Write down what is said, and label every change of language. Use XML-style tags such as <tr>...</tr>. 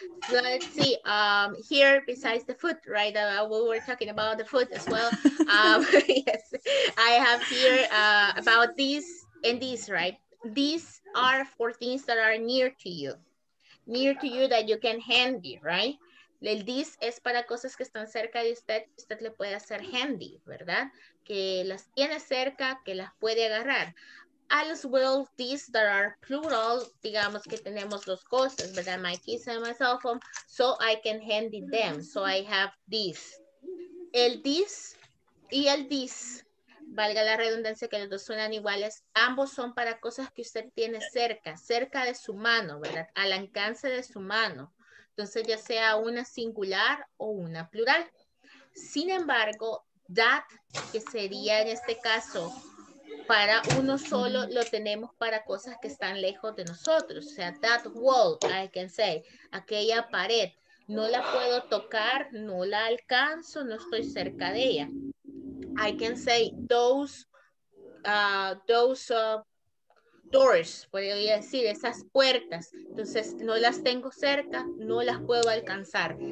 <en>So let's see, here besides the food, right, we were talking about the food as well. yes, I have here about this and this, right? These are for things that are near to you that you can handy, right?</en> <es>El this es para cosas que están cerca de usted, usted le puede hacer handy, ¿verdad? Que las tiene cerca, que las puede agarrar.</es> <en>As well, these that are plural,</en> <es>digamos que tenemos dos cosas,</es> <en>but my keys and my cell phone, so I can hand it them. So I have this.</en> <es>El this y el this, valga la redundancia que los dos suenan iguales, ambos son para cosas que usted tiene cerca, cerca de su mano, ¿verdad? Al alcance de su mano. Entonces, ya sea una singular o una plural. Sin embargo, that, que sería en este caso, para uno solo lo tenemos para cosas que están lejos de nosotros. O sea,</es> <en>that wall, I can say,</en> <es>aquella pared. No la puedo tocar, no la alcanzo, no estoy cerca de ella.</es> <en>I can say those doors,</en> <es>podría decir, esas puertas. Entonces, no las tengo cerca, no las puedo alcanzar.</es>